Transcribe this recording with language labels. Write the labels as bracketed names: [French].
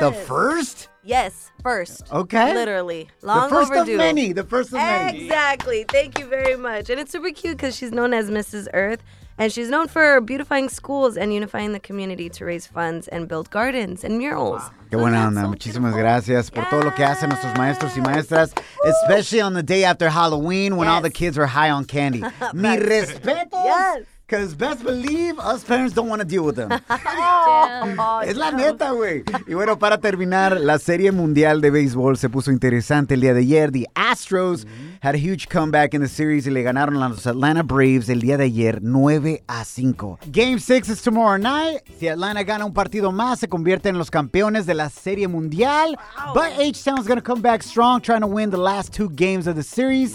[English] But the first? Yes, first. Okay. Literally. Long overdue. The first of many. The first of many. Exactly. Thank you very much. And it's super cute because she's known as Mrs. Earth. And she's known for beautifying schools and unifying the community to raise funds and build gardens and murals. Wow. [Spanish] Qué buena onda. Muchísimas gracias por todo lo que hacen nuestros maestros y maestras. [English] Especially on the day after Halloween when all the kids are high on candy. [Spanish] Mi respetos. [English] Yes. Because best believe, us parents don't want to deal with them. [Spanish] Es la neta, güey. Y bueno, para terminar, la Serie Mundial de Béisbol se puso interesante el día de ayer. [English] The Astros had a huge comeback in the series [Spanish] y le ganaron a los Atlanta Braves el día de ayer 9-5. [English] Game 6 is tomorrow night. [Spanish] Si Atlanta gana un partido más, se convierte en los campeones de la Serie Mundial. [English] Wow. But H-Town's going to come back strong, trying to win the last two games of the series.